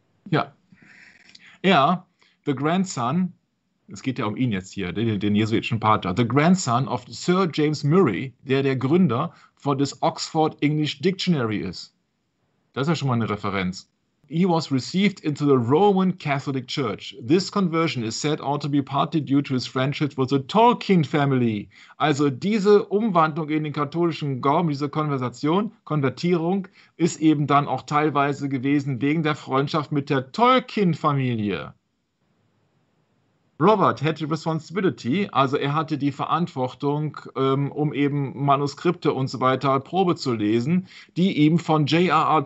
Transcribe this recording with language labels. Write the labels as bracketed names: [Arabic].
[German] Ja, er, [English] the grandson, [German] es geht ja um ihn jetzt hier, den jesuitischen Pater, [English] the grandson of Sir James Murray, [German] der Gründer von des Oxford English Dictionary ist. Das ist ja schon mal eine Referenz. [English] he was received into the Roman Catholic Church. This conversion is said all to be partly due to his friendship with the Tolkien family. [German] Also diese Umwandlung in den katholischen Glauben, diese Konvertierung, ist eben dann auch teilweise gewesen wegen der Freundschaft mit der Tolkien-Familie. [English] Robert had the responsibility, [German] also er hatte die Verantwortung, um eben Manuskripte und so weiter Probe zu lesen, die ihm von J.R.R.